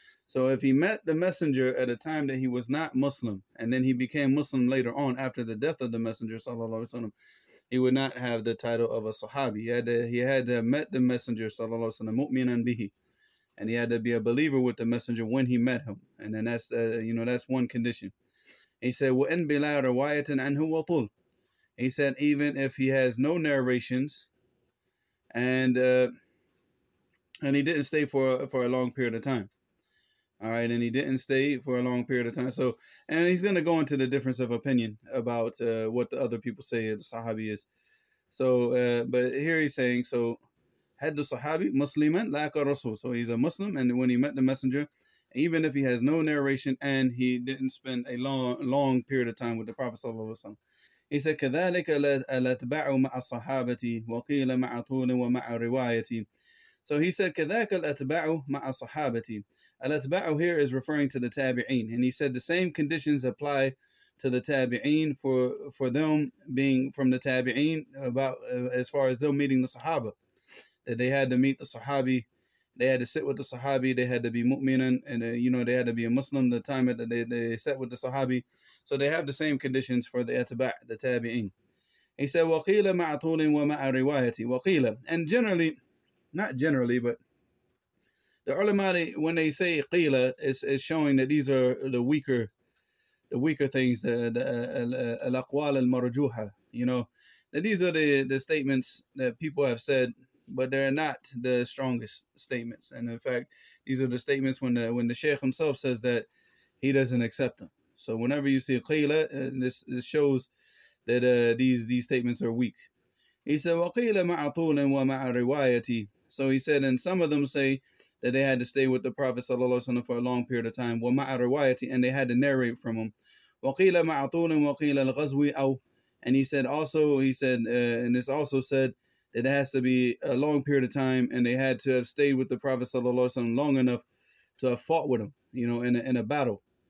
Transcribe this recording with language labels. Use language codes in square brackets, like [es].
[en] So if he met the messenger at a time that he was not Muslim, and then he became Muslim later on after the death of the messenger sallallahu alaihi wasallam, he would not have the title of a Sahabi. He had met the messenger, sallallahu alayhi wa sallam, [ar] mu'minan bihi. [en] And he had to be a believer with the messenger when he met him. And then that's, you know, that's one condition. [ar] He said, وَإِن بِلَا رَوَايَةٍ عَنْهُ وَطُلْ. [en] He said, even if he has no narrations, and he didn't stay for a long period of time. All right, and he didn't stay for a long period of time. So, and he's going to go into the difference of opinion about what the other people say the Sahabi is. So, but here he's saying, so, had the Sahabi [ar] Musliman laqa Rasul. [en] So he's a Muslim, and when he met the messenger, even if he has no narration and he didn't spend a long period of time with the Prophet sallallahu alaihi wasallam, he said, [ar] كذلك الأتباع مع الصحابة وقيل مع طول ومع روايتي. [en] So he said, [ar] كذاك الأتباع مع الصحابة. [en] الأتباع here is referring to the tabi'een. And he said the same conditions apply to the tabi'een for them being from the tabi'een about as far as them meeting the Sahaba. That they had to meet the Sahabi. They had to sit with the Sahabi. They had to be mu'minan. And, you know, they had to be a Muslim the time that they sat with the Sahabi. So they have the same conditions for the أتباع, the tabi'een. [ar] He said, وَقِيلَ مَعَ طُولٍ وَمَعَ رِوَايَةِ وَقِيلَ. [en] And generally, not generally, but the ulama, when they say qila, is showing that these are the weaker things, the [ar] al-aqwal al-marjuha, [en] you know, that these are the statements that people have said, but they're not the strongest statements. And in fact, these are the statements when the sheikh himself says that he doesn't accept them. So whenever you see qila, this shows that these statements are weak. [ar] He said, وَقِيلَ مَعَ طُولٍ وَمَعَ رِوَايَةِ. [en] So he said, and some of them say that they had to stay with the Prophet sallallahu alaihi wasallam for a long period of time. [ar] Wa ma'a riwayati, [en] and they had to narrate from him. [ar] Wa qila ma'a thulun wa qila al-ghazwi aw. [en] And he said and it's also said that it has to be a long period of time, and they had to have stayed with the Prophet sallallahu alaihi wasallam long enough to have fought with him, you know, in a battle.